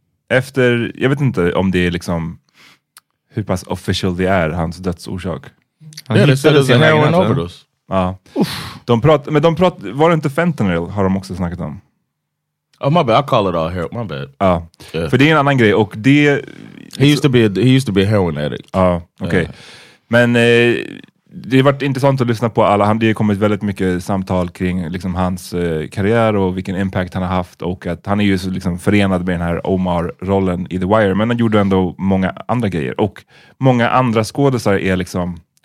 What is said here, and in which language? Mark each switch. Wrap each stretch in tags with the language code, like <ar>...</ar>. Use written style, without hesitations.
<sv>Efter, jag vet inte om det är liksom hur pass official det är, hans dödsorsak. Det är en heroin overdose. Ja. De pratade, men var det inte fentanyl har de också snackat om?</sv> <en>Oh my bad, I call it all heroin, my bad. Ja. Yeah.</en> <sv>För det är en annan grej och det...</sv> <en>He used to be a heroin addict.</en> <sv>Ja, okej. Okay. Yeah. Men... det har varit intressant att lyssna på alla. Det har kommit väldigt mycket samtal kring liksom hans karriär och vilken impact han har haft. Och att han är ju liksom förenad med den här Omar-rollen i The Wire. Men han gjorde ändå många andra grejer. Och många andra skådespelare är liksom...</sv>